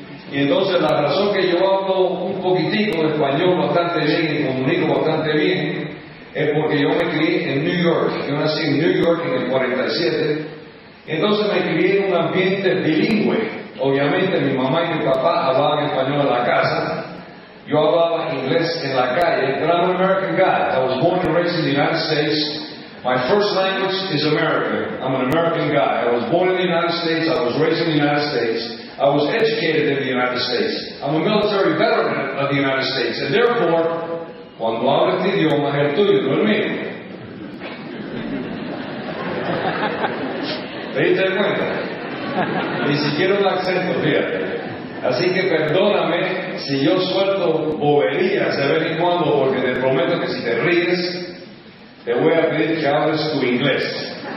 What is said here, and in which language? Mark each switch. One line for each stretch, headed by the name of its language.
Spanish: Y entonces la razón que yo hablo un poquitico de español bastante bien y comunico bastante bien es porque yo me crié en New York. Yo nací en New York en el 47. Entonces me crié en un ambiente bilingüe. Obviamente mi mamá y mi papá hablaban español en la casa, yo hablaba inglés en la calle,
English: but I'm an American guy. I was born and raised in the United States. My first language is American. I'm an American guy. I was born in the United States. I was raised in the United States. I was educated in the United States. I'm a military veteran of the United States. And therefore,
Spanish: cuando hablo este idioma, es el tuyo, no el mío. ¿Te diste cuenta? Ni siquiera un acento, fíjate. Así que perdóname si yo suelto boberías de vez en cuando, porque te prometo que si te ríes, te voy a pedir que hables tu inglés.